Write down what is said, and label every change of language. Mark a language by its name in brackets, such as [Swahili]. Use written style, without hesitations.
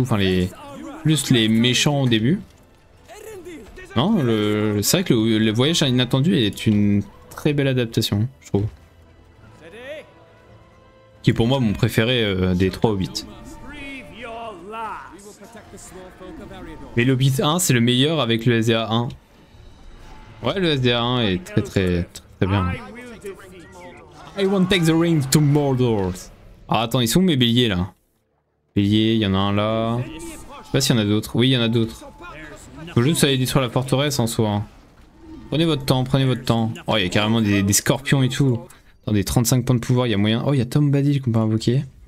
[French] Enfin, plus les méchants au début. Non, c'est vrai que le voyage inattendu est une très belle adaptation, je trouve. Qui est pour moi mon préféré des trois Hobbits. Mais le Hobbit 1, c'est le meilleur avec le SDA 1. Ouais, le SDA 1 est très très très, très bien. [English] I won't take the ring to Mordor. [French] Ah, attends, ils sont où mes béliers là? Béliers, il y en a un là. Je sais pas s'il y en a d'autres. Oui, il y en a d'autres. Faut juste aller détruire la forteresse en soi. Prenez votre temps, prenez votre temps. Oh, il y a carrément des scorpions et tout. Dans des 35 points de pouvoir, il y a moyen. Oh, il y a Tom Badil qu'on peut invoquer.